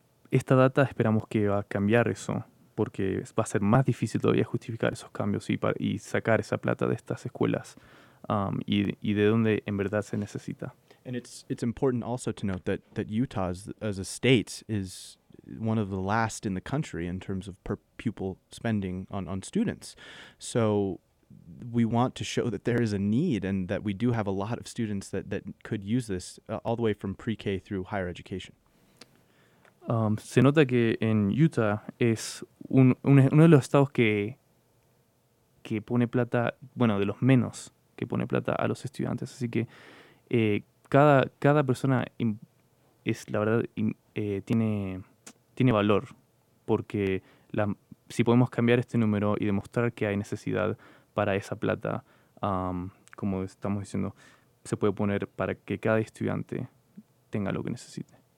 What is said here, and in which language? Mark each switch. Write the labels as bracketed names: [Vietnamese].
[Spanish] Esta data esperamos que va a cambiar eso, porque va a ser más difícil todavía justificar esos cambios y sacar esa plata de estas escuelas. Y de dónde en verdad se necesita. [English] And it's important also to note that Utah as a state is one of the last in the country in terms of per pupil spending on students. So we want to show that there is a need and that we do have a lot of students that could use this all the way from pre-K through higher education. [Spanish] Se nota que en Utah es uno de los estados que pone plata, bueno, de los menos que pone plata a los estudiantes, así que cada persona tiene valor, porque si podemos cambiar este número y demostrar que hay necesidad para esa plata, como estamos diciendo, se puede poner para que cada estudiante tenga lo que necesite.